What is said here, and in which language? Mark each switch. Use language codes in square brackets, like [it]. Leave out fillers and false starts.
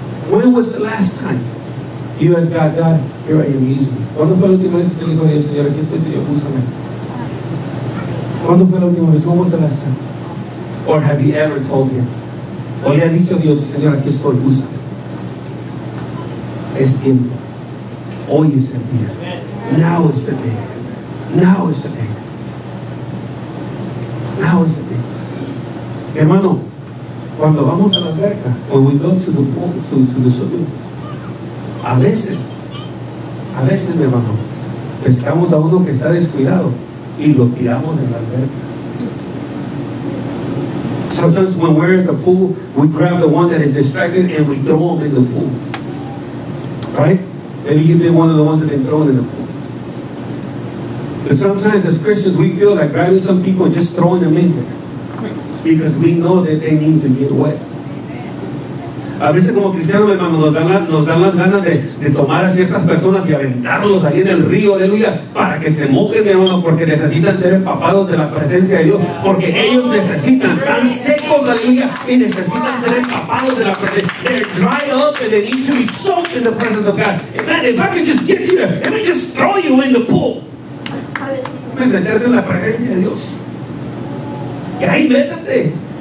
[en] When was the last time you asked God, God, here I am, use me? [es] ¿Cuándo fue la última vez que usted dijo a Dios, Señor, aquí estoy, Señor, úsame? ¿Cuándo fue la última vez? [en] When was the last time? Or have you ever told him? [es] ¿O le ha dicho a Dios, Señor, aquí estoy, úsame? Es tiempo. Hoy es el día. [en] Now is the day. Now is the day. Now is the day. [es] Hermano, cuando vamos a la alberca, [en] when we go to the pool, to the swimming, [es] a veces, mi hermano, pescamos a uno que está descuidado y lo tiramos en la alberca. [en] Sometimes when we're in the pool, we grab the one that is distracted and we throw him in the pool. Right? Maybe you've been one of the ones that have been thrown in the pool. But sometimes as Christians, we feel like grabbing some people and just throwing them in there. Because we know that they need to get wet. [es] A veces como cristianos, hermano, nos dan las ganas de tomar a ciertas personas y aventarlos ahí en el río, aleluya, para que se mojen, mi hermano, porque necesitan ser empapados de la presencia de Dios, porque ellos necesitan, tan secos, aleluya, y necesitan ser empapados de la presencia. [en] They're dry up and they need to be soaked in the presence of God. And man, if I could just get you there, let me just throw you in the pool. [es] Meterte en la presencia de Dios. Que ahí métete.